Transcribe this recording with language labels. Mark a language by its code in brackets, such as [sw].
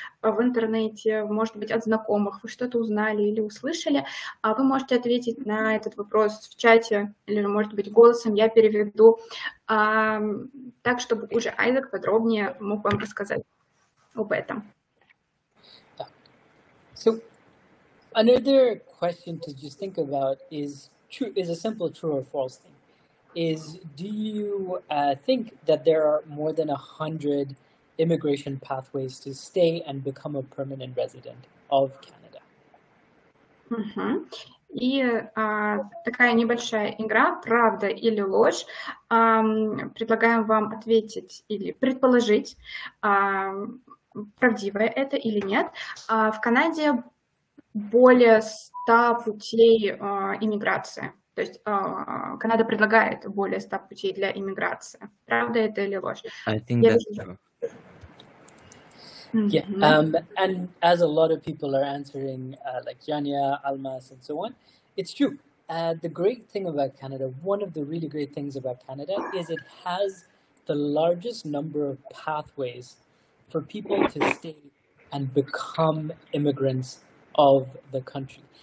[ru] в интернете, может быть, от знакомых, вы что-то узнали или услышали, вы можете ответить на этот вопрос в чате или, может быть, голосом, я переведу, так, чтобы уже Айзек подробнее мог вам рассказать. [en] So another question to just think about is true, is a simple true or false thing. Is do you think that there are more than 100 immigration pathways to stay and become a permanent resident of Canada? [ru] И такая небольшая игра «Правда или ложь». Предлагаем вам ответить или предположить, правдивое это или нет. В Канаде более 100 путей иммиграции. То есть Канада предлагает более 100 путей для иммиграции. Правда это или ложь? [en] I think that's true. And as a lot of people are answering, like Janya, Almas, and so on, it's true. The great thing about Canada, one of the really great things about Canada, is it has the largest number of pathways for people to stay and become immigrants of the country.